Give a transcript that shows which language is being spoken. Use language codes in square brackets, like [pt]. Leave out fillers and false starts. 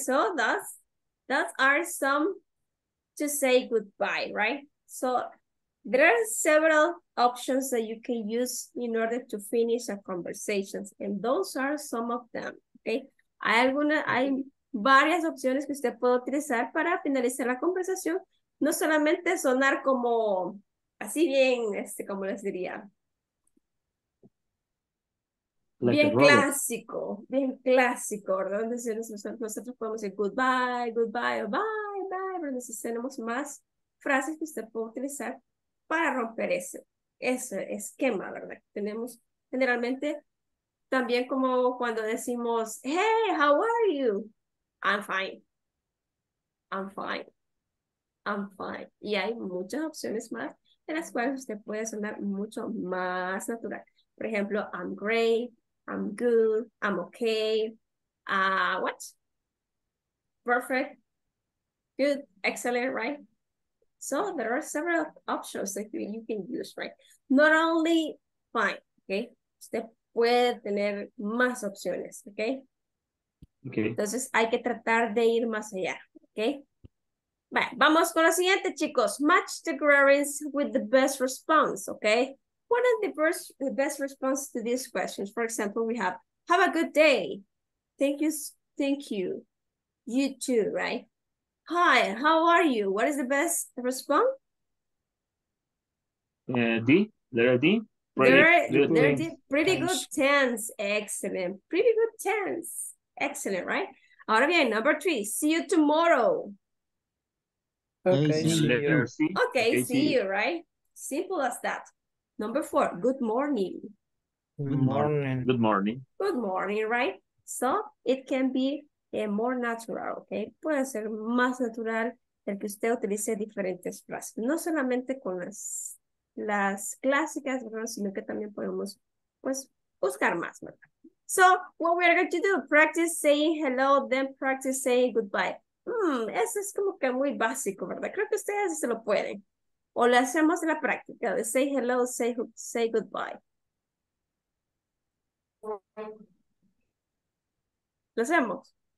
[en] So that are some to say goodbye, right? So there are several options that you can use in order to finish a conversation. And those are some of them. Okay. [es] Hay varias opciones que usted puede utilizar para finalizar la conversación. No solamente sonar como así bien, como les diría. [en] Like [es] bien clásico, ¿verdad? Entonces nosotros podemos decir [en] goodbye, goodbye, bye, bye, [es] pero entonces tenemos más frases que usted puede utilizar para romper ese esquema, ¿verdad? Tenemos generalmente también como cuando decimos, [en] hey, how are you? I'm fine. I'm fine. I'm fine. [es] Y hay muchas opciones más en las cuales usted puede sonar mucho más natural. Por ejemplo, [en] I'm great, I'm good, I'm okay, what? Perfect, good, excellent, right? So there are several options that you can use, right? Not only fine, okay? [es] Usted puede tener más opciones, [en] okay? Okay. [es] Entonces hay que tratar de ir más allá, okay? Bueno, vamos con lo siguiente, chicos. [en] Match the queries with the best response, okay? What are the best response to these questions? For example, we have a good day. Thank you. You too, right? Hi, how are you? What is the best response? D, letter D. Pretty good tense. Excellent. Pretty good tense. Excellent, right? [es] Ahora bien, [en] number three. See you tomorrow. Okay, see you, right? Simple as that. Number four, good morning. Good morning, right? So it can be more natural, okay? [es] Puede ser más natural el que usted utilice diferentes frases. No solamente con las clásicas, ¿verdad? Sino que también podemos, pues, buscar más, ¿verdad? [en] So what we are going to do, practice saying hello, then practice saying goodbye. [es] Eso es como que muy básico, ¿verdad? Creo que ustedes se lo pueden. O le hacemos la práctica de [en] say hello, say goodbye. [es] ¿Lo hacemos?